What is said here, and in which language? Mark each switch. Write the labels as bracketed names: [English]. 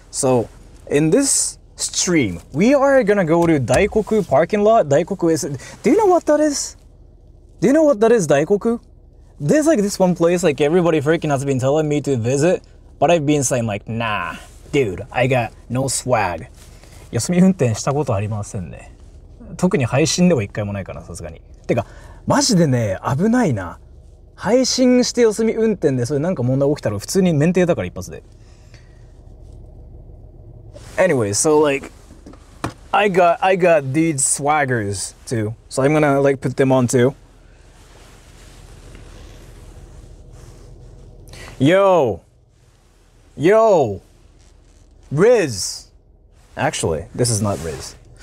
[English] So in this stream, we are gonna go to Daikoku parking lot. Daikoku is, do you know what that is? Do you know what that is, Daikoku? There's like this one place like everybody freaking has been telling me to visit, but I've been saying like, nah, dude, I got no swag. [Japanese] 休み運転したことありませんね。特に配信では一回もないかな、さすがに。てか、マジでね、危ないな。配信して休み運転でそれなんか問題起きたら普通に免停だから一発で。 [English] Anyway, so like... I got these swaggers too, so I'm gonna like put them on too. Yo, Riz. Actually, this is not Riz.